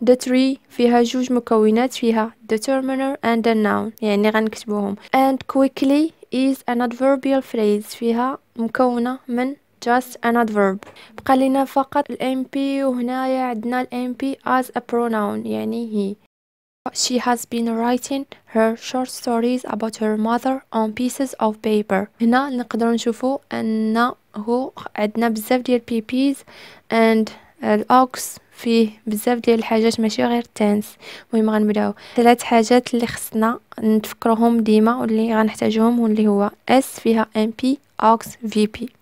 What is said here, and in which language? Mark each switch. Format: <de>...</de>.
<en>the tree</en> <ar>فيها جوج مكونات، فيها</ar> <en>determiner and a noun،</en> <ar>يعني غنكتبوهم.</ar> <en>and quickly is an adverbial phrase،</en> <ar>فيها مكونه من</ar> <en>just an adverb.</en> <ar>بقى لنا فقط الام بي، وهنايا عندنا الام بي</ar> <en>as a pronoun،</en> <ar>يعني هي.</ar> <en>She has been writing her short stories about her mother on pieces of paper.</en> <ar>هنا نقدر نشوفو أن هو عندنا بزاف ديال بيبيز and الاوكس فيه بزاف ديال الحاجات ماشي غير التنس. المهم غنبداو ثلاث حاجات اللي خصنا نتفكروهم ديما واللي غنحتاجوهم، واللي هو اس فيها ام بي اوكس في بي.</ar>